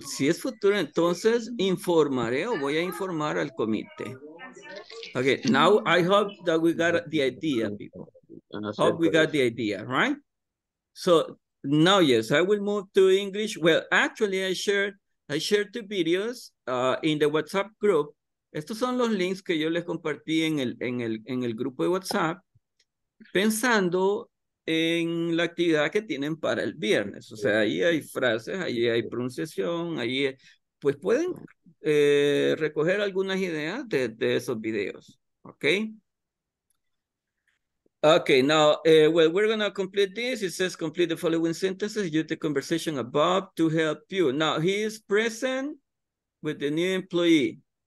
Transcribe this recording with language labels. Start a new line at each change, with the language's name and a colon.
Spanish: Si es futuro, entonces informaré o voy a informar al comité.
English: Okay, now I hope that we got the idea, people. Hope we got the idea, right? So now, yes, I will move to English. Well, actually, I shared two videos in the WhatsApp group.
Spanish: Estos son los links que yo les compartí en el grupo de WhatsApp, pensando en la actividad que tienen para el viernes. O sea, ahí hay frases, ahí hay pronunciación, ahí pues pueden recoger algunas ideas de esos videos, ¿okay?
English: Okay, now, well, we're going to complete this. It says complete the following sentences. Use the conversation above to help you. Now, he is present with the new employee.